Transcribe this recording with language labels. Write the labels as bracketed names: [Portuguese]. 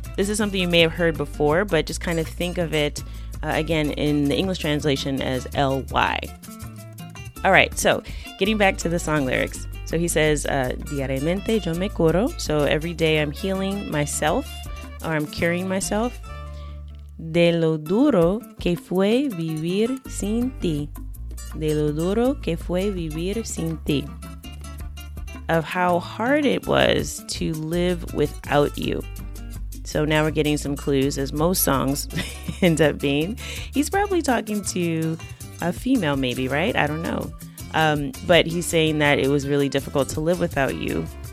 [English] This is something you may have heard before, but just kind of think of it, again, in the English translation as ly. All right, so getting back to the song lyrics. So he says, [Spanish] diariamente yo me curo. [English] So every day I'm healing myself, or I'm curing myself. [Spanish] De lo duro que fue vivir sin ti. De lo duro que fue vivir sin ti. [English] Of how hard it was to live without you. So now we're getting some clues, as most songs end up being. He's probably talking to a female maybe, right? I don't know. But he's saying that it was really difficult to live without you.